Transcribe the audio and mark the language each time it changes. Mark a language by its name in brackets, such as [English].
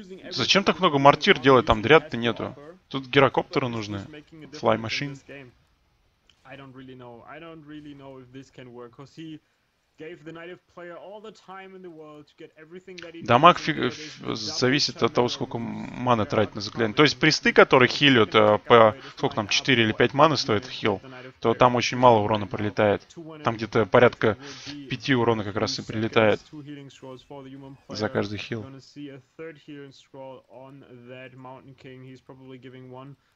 [Russian] Зачем так много мортир делать, там дряд-то нету. Тут гирокоптеры нужны, Fly Machine. [English] I don't really know if this can work, cause he... gave the native player all the time in the world to get everything that he needs. [Russian] Дамаг зависит от того, сколько маны тратить на заклинание. То есть присты, которые хилят по сколько там 4 или 5 маны стоит хил, то там очень мало урона прилетает. Там где-то порядка 5 урона как раз и прилетает за каждый хил. [English] Gonna see a third healing scroll on that mountain king. He's probably giving one.